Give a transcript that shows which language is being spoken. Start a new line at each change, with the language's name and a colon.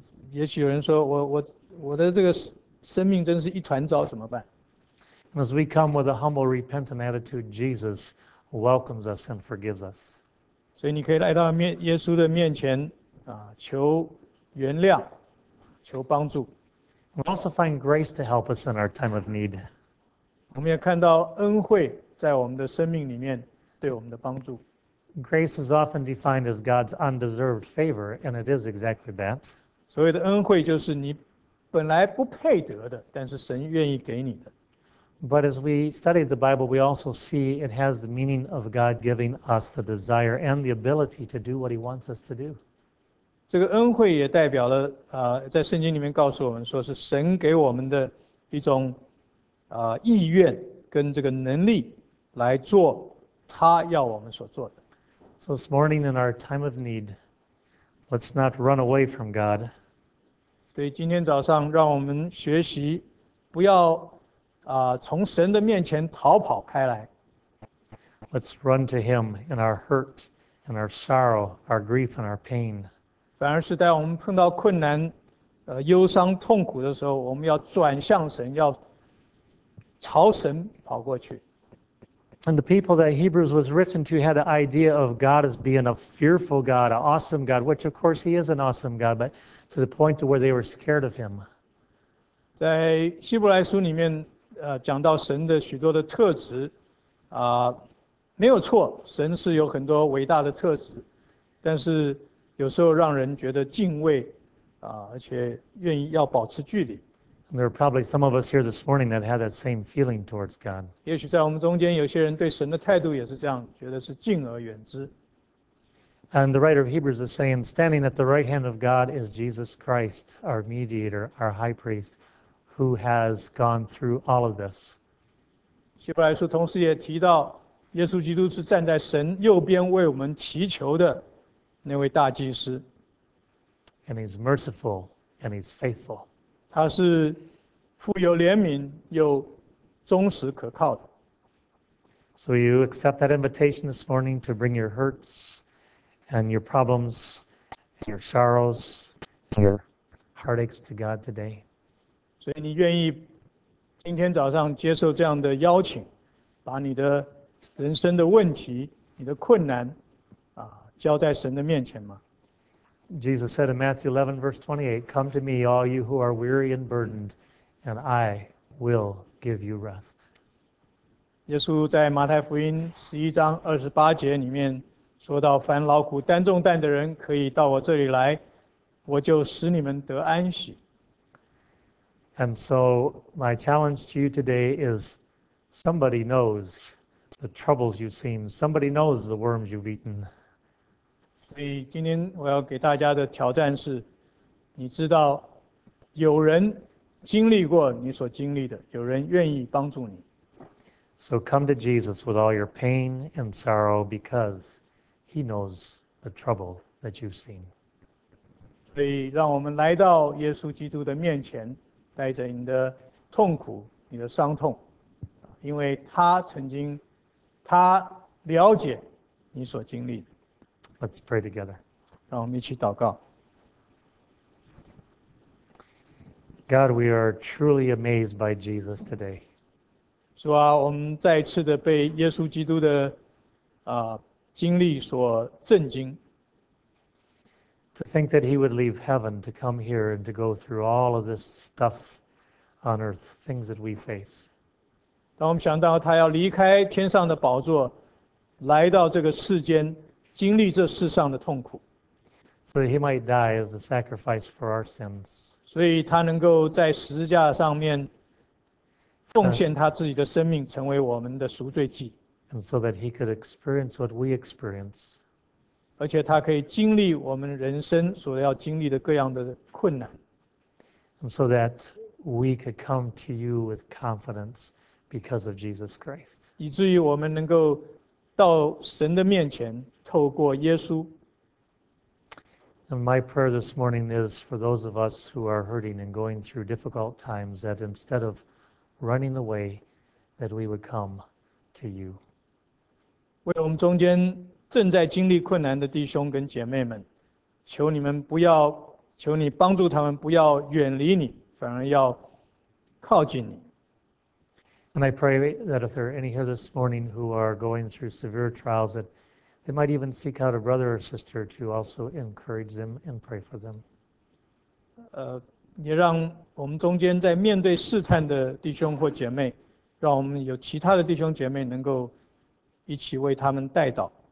Chinese: 也许有人说 我的这个生命真是一团糟，怎么办？
English: As we come with a humble, repentant attitude, Jesus welcomes us and forgives us.
Chinese: 所以你可以来到耶稣的面前，求原谅，求帮助。
English: We also find grace to help us in our time of need.
Chinese: 我们也看到恩惠在我们的生命里面对我们的帮助。
English: Grace is often defined as God's undeserved favor, and it is exactly that.
Chinese: 所谓的恩惠就是你本来不配得的，但是神愿意给你的。
English: But as we study the Bible, we also see it has the meaning of God giving us the desire and the ability to do what he wants us to do.
Chinese: 这个恩惠也代表了，在圣经里面告诉我们说是神给我们的一种，意愿跟这个能力来做他要我们所做的。
English: So this morning in our time of need, let's not run away from God.
Chinese: 对，今天早上让我们学习不要从神的面前逃跑开来。
English: Let's run to him in our hurt, in our sorrow, our grief, and our pain.
Chinese: 反而是在我们碰到困难、忧伤、痛苦的时候，我们要转向神，要朝神跑过去。
English: And the people that Hebrews was written to had an idea of God as being a fearful God, an awesome God, which of course he is an awesome God, but to the point to where they were scared of him.
Chinese: 在希伯来书里面讲到神的许多的特质，没有错，神是有很多伟大的特质，但是有时候让人觉得敬畏，而且愿意要保持距离。
English: And there are probably some of us here this morning that had that same feeling towards God.
Chinese: 也许在我们中间有些人对神的态度也是这样，觉得是敬而远之。
English: And the writer of Hebrews is saying, standing at the right hand of God is Jesus Christ, our mediator, our high priest, who has gone through all of this.
Chinese: 希伯来书同时也提到，耶稣基督是站在神右边为我们祈求的那位大祭司。
English: And he's merciful and he's faithful.
Chinese: 他是富有怜悯又忠实可靠的。
English: So you accept that invitation this morning to bring your hurts and your problems and your sorrows and your heartaches to God today.
Chinese: 所以你愿意今天早上接受这样的邀请，把你的人生的问题、你的困难交在神的面前吗？
English: Jesus said in Matthew 11, verse 28, Come to me, all you who are weary and burdened, and I will give you rest.
Chinese: 耶稣在马太福音11章28节里面说到，凡劳苦担重担的人可以到我这里来，我就使你们得安息。
English: And so my challenge to you today is somebody knows the troubles you've seen. Somebody knows the worms you've eaten.
Chinese: 所以今天我要给大家的挑战是，你知道有人经历过你所经历的，有人愿意帮助你。
English: So come to Jesus with all your pain and sorrow because he knows the trouble that you've seen.
Chinese: 所以让我们来到耶稣基督的面前，带着你的痛苦、你的伤痛，因为他曾经，他了解你所经历的。
English: Let's pray together.
Chinese: 让我们一起祷告。
English: God, we are truly amazed by Jesus today.
Chinese: 主啊，我们再次的被耶稣基督的经历所震惊。
English: To think that he would leave heaven to come here and to go through all of this stuff on earth, things that we face.
Chinese: 当我们想到他要离开天上的宝座，来到这个世间，经历这世上的痛苦。
English: So that he might die as a sacrifice for our sins.
Chinese: 所以他能够在十字架上面奉献他自己的生命，成为我们的赎罪祭。
English: And so that he could experience what we experience.
Chinese: 而且他可以经历我们人生所要经历的各样的困难。
English: And so that we could come to you with confidence because of Jesus Christ.
Chinese: 以至于我们能够到神的面前，透过耶稣。
English: And my prayer this morning is for those of us who are hurting and going through difficult times that instead of running away, that we would come to you.
Chinese: 为我们中间正在经历困难的弟兄跟姐妹们，求你们不要，求你帮助他们不要远离你，反而要靠近你。
English: And I pray that if there are any here this morning who are going through severe trials, that they might even seek out a brother or sister to also encourage them and pray for them.
Chinese: 也让我们中间在面对试探的弟兄或姐妹，让我们有其他的弟兄姐妹能够一起为他们代祷。